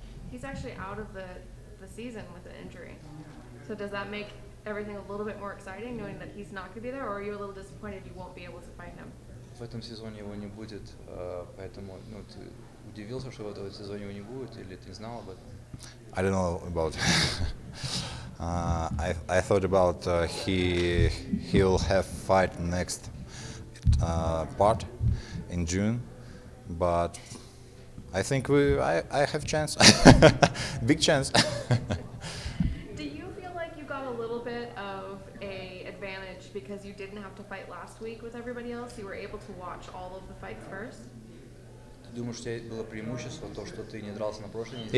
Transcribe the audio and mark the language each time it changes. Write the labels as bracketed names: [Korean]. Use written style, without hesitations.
[English] He's actually out of the season with an injury. So does that make everything a little bit more exciting, knowing that he's not going to be there, or are you a little disappointed you won't be able to fight him? [Russian] В этом сезоне его не будет, поэтому ну ты удивился, что в этом сезоне его не будет, или ты знал об этом? [English] I don't know about. I thought about he'll have fight next part in June, but I think I have chance, big chance. Do you feel like you got a little bit of a advantage because you didn't have to fight last week with everybody else? You were able to watch all of the fights first. [Russian] Ты думаешь, у тебя было преимущество то, что ты не дрался на прошлой неделе?